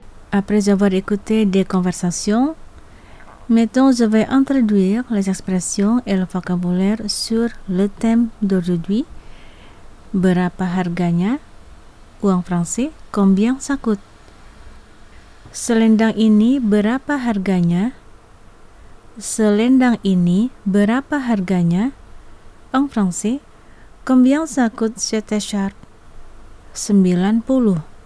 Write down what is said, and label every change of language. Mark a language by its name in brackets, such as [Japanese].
[French] Après avoir écouté des conversations, mettons, je vais introduire les expressions et le vocabulaire sur le thème d'aujourd'hui. [Indonesian] Berapa harganya? [French] Ou en français, combien ça coûte? [Indonesian] Selendang ini berapa harganya? Selendang ini berapa harganya? [French] En français, combien ça coûte cette écharpe? 90.